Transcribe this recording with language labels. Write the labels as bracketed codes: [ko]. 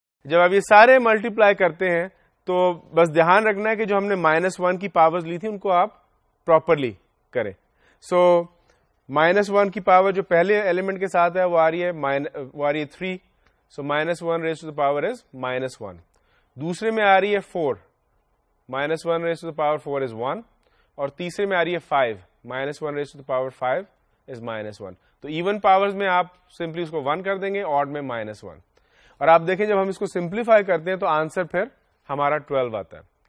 [ur] جب آپ یہ سارے ملٹی پلائی کرتے ہیں تو بس دھیان رکھنا ہے کہ جو ہم نے -1 کی پاورز لی تھی ان کو آپ پراپرلی کریں. سو -1 کی پاور جو پہلے ایلیمنٹ کے ساتھ ہے وہ آ رہی ہے 3, سو -1 [en] raised to the power is -1. [ur] دوسرے میں آ رہی ہے 4, [en] -1 raised to the power 4 is 1, [ur] اور تیسرے میں آ رہی ہے 5, [en] minus 1 raised to the power 5 is minus 1. [ur] تو ایون پاورز میں آپ سمپلی اس کو 1 کر دیں گے, آڈ میں مائنس 1. اور آپ دیکھیں جب ہم اس کو سمپلیفائی کرتے ہیں تو آنسر پھر ہمارا 12 آتا ہے.